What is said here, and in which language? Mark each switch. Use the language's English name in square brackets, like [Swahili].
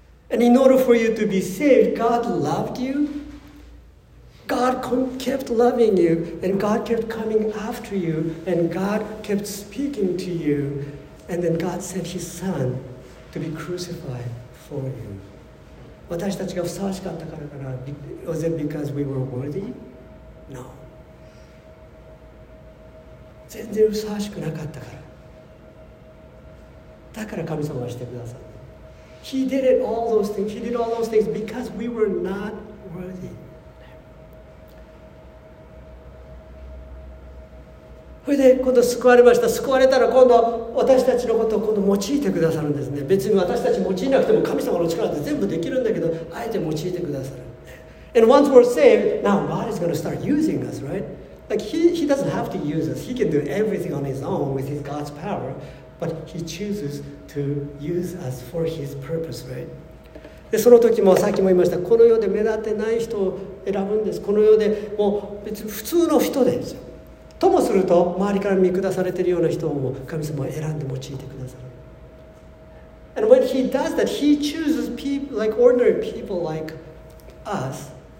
[English] And in order for you to be saved, God loved you. God kept loving you, and God kept coming after you, and God kept speaking to you, and then God sent His SonTo be crucified for you. [Japanese] 私たちがふさわしかったからかな。 [English] Was it because we were worthy? No. [Japanese] 全然ふさわしくなかったから。だから神様はしてくださった。 [English] He did it all those things. He did all those things because we were not worthy. [Japanese] それで今度救われました。救われたら今度私たちのことを今度用いてくださるんですね。別に私たち用いなくても神様の力で全部できるんだけど、あえて用いてくださる。 [English] And once we're saved, now God is going to start using us, right? Like he doesn't have to use us. He can do everything on his own with his God's power, but he chooses to use us for his purpose, right? [Japanese] でその時もさっきも言いました、この世で目立ってない人を選ぶんです。この世でもう別に普通の人ですよ。ともすると周りから見下されているような人を神様は選んで用いてくださる。 [English] And when he does that, he chooses people like ordinary people like us.